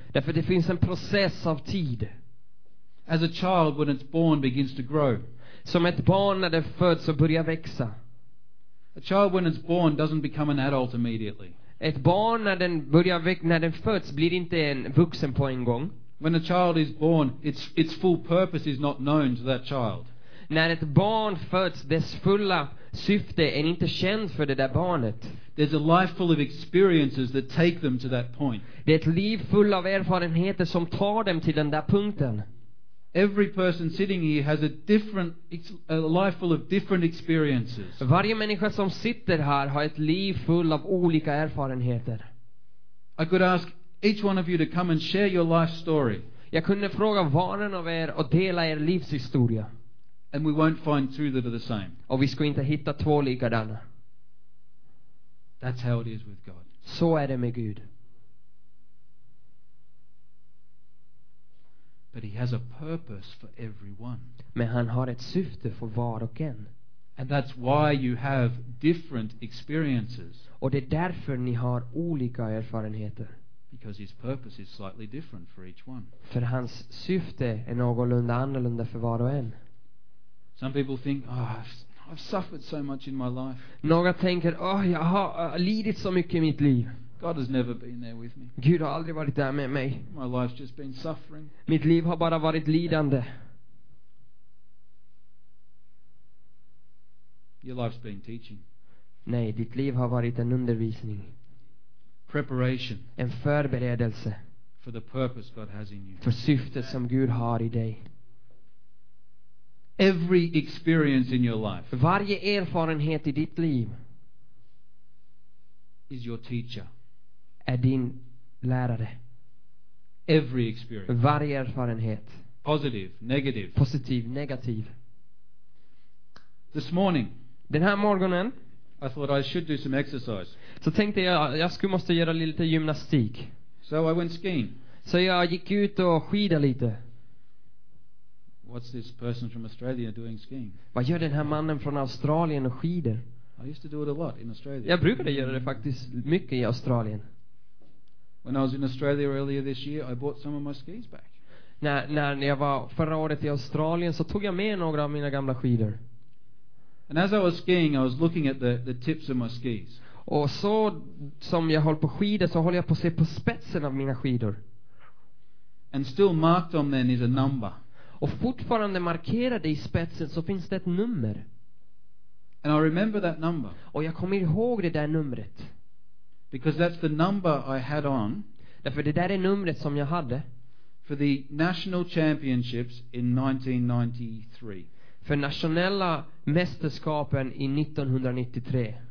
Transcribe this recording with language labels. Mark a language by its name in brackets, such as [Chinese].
[Swedish] Därför det finns en process av tid. [English] As a child when it's born begins to grow. [Swedish] Som ett barn när det föds så börjar växa. [English] A child when it's born doesn't become an adult immediately. [Swedish] Ett barn när den börjar växa, när den föds, blir inte en vuxen på en gång. [English] When a child is born, its full purpose is not known to that child. [Swedish] När ett barn föds, dess fulla syfte är inte känt för det där barnet. [English] There's a life full of experiences that take them to that point. [Swedish] Det är ett liv full av erfarenheter som tar dem till den där punkten. [English] Every person sitting here has a life full of different experiences. [Swedish] Varje människa som sitter här har ett liv full av olika erfarenheter. [English] I could ask each one of you to come and share your life story. [Swedish] Jag kunde fråga var en av er och dela er livshistoria. [English] And we won't find two that are the same. [Swedish] Och vi ska inte hitta två likadana. [English] That's how it is with God. [Swedish] Så är det med Gud. [English] But he has a purpose for everyone. [Swedish] Men han har ett syfte för var och en. [English] And that's why you have different experiences. [Swedish] Och det är därför ni har olika erfarenheter. [English] Because his purpose is slightly different for each one. [Swedish] För hans syfte är någorlunda annorlunda för var och en. [English] Some people think, oh, I've suffered so much in my life. [Swedish] Några tänker, oh, jag har lidit så mycket i mitt liv. [English] God has never been there with me. [Swedish] Gud har aldrig varit där med mig. [English] My life's just been suffering. [Swedish] Mitt liv har bara varit lidande. [English] Your life's been teaching. [Swedish] Nej, ditt liv har varit en undervisning. [English] Preparation. [Swedish] En förberedelse. [English] For the purpose God has in you. [Swedish] För syftet som Gud har i dig. [English] Every experience in your life. [Swedish] Varje erfarenhet i ditt liv. [English] Is your teacher. [Swedish] Är din lärare. [English] Every experience. [Swedish] Varje erfarenhet. [English] Positive, negative. [Swedish] Positiv, negativ. [English] This morning. [Swedish] Den här morgonen. [English] I thought I should do some exercise. [Swedish] Så tänkte jag skulle måste göra lite gymnastik. [English] So I went skiing. [Swedish] Så jag gick ut och skida lite. [English] What's this person from Australia doing skiing? [Swedish] Vad gör den här mannen från Australien och skider? [English] I used to do it a lot in Australia. [Swedish] Jag brukade göra det faktiskt mycket i Australien. [English] When I was in Australia earlier this year, I bought some of my skis back. [Swedish] När jag var förra året i Australien så tog jag med några av mina gamla skidor. [English] And as I was skiing, I was looking at the tips of my skis. [Swedish] Och så som jag håller på skidor så håller jag på att se på spetsen av mina skidor. [English] And still marked on them is a number. [Swedish] Och fortfarande markerade i spetsen så finns det ett nummer. [English] And I remember that number. [Swedish] Och jag kommer ihåg det där numret. [English] Because that's the number I had on. [Swedish] Därför det där är numret som jag hade. [English] For the national championships in 1993. [Swedish] För nationella mästerskapen i 1993.